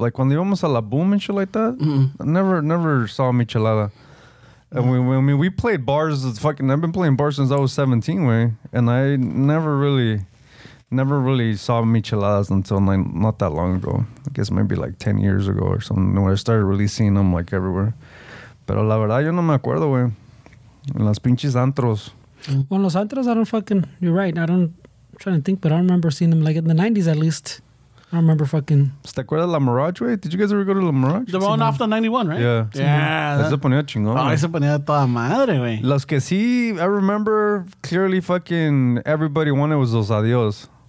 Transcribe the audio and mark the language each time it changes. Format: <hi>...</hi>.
<en>Like, when they almost a la boom and shit like that, mm-hmm. I never saw michelada. And we played bars. I've been playing bars since I was 17, way. And I never really saw micheladas until not that long ago. I guess maybe like 10 years ago or something, where I started really seeing them like everywhere.</en> <es>Pero la verdad, yo no me acuerdo, güey. En las pinches antros.</es> <en>Well,</en> <es>los antros,</es> <en>I don't fucking... You're right. I don't... I'm trying to think, but I remember seeing them like in the 90s at least. I remember fucking...</en> <es>¿Te acuerdas de La Mirage, güey?</es> <en>Did you guys ever go to La Mirage? The one off the 91, right? Yeah. Yeah.</en> <es>Se ponía chingón. Oh, se ponía toda madre, güey. Los que sí,</es> <en>I remember clearly fucking everybody wanted was Los Adios.</en>